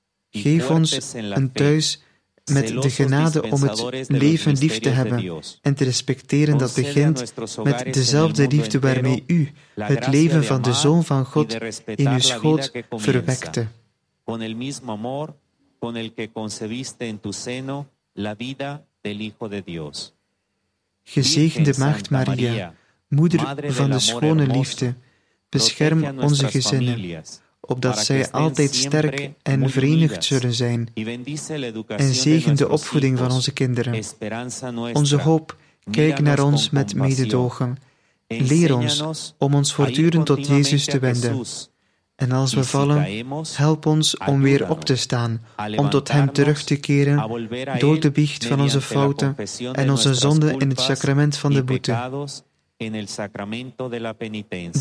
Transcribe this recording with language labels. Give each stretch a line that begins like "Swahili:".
Dutch: Geef ons een thuis met de genade om het leven lief te hebben en te respecteren dat begint met dezelfde liefde waarmee u het leven van de Zoon van God in uw schoot verwekte.
Spanish: Con el mismo amor con el que concebiste en tu seno la vida del Hijo de Dios.
Dutch: Gezegende Maagd Maria, moeder van de schone liefde, bescherm onze gezinnen, opdat zij altijd sterk en verenigd zullen zijn, en zegen de opvoeding van onze kinderen. Onze hoop, kijk naar ons met mededogen. Leer ons om ons voortdurend tot Jezus te wenden. En als we vallen, help ons om weer op te staan, om tot Hem terug te keren door de biecht van onze fouten en onze zonden in het sacrament van de boete,
Spanish: en el sacramento de la penitencia,